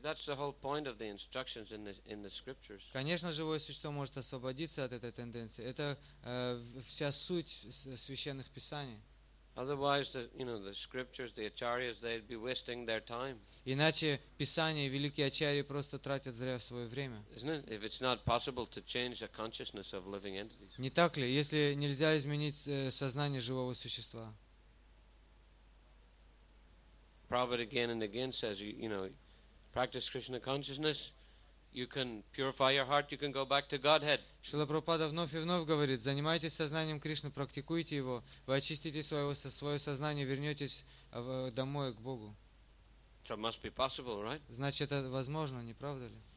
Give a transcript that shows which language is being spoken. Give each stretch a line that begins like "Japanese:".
English: That's the whole point of the instructions in the scriptures.
Russian: Конечно, живое существо может освободиться от этой тенденции. Это вся суть священных писаний.
English: Otherwise, the scriptures, the acharyas, they'd be wasting their time.
Russian: Иначе писания, великие ачарьи просто тратят зря свое время.
English: Isn't it? If it's not possible to change the consciousness of living entities.
Russian: Не так ли? Если нельзя изменить сознание живого существа.
English: Prabhupada again and again says, you know, practice Krishna consciousness, you can purify your heart, you can go back to Godhead.
Russian: Шрила Прабхупада вновь и вновь говорит, занимайтесь сознанием Кришны, практикуйте его, вы очистите свое сознание, вернетесь домой к Богу.
English: So it must be possible, right?
Russian: Значит, это возможно, не правда ли?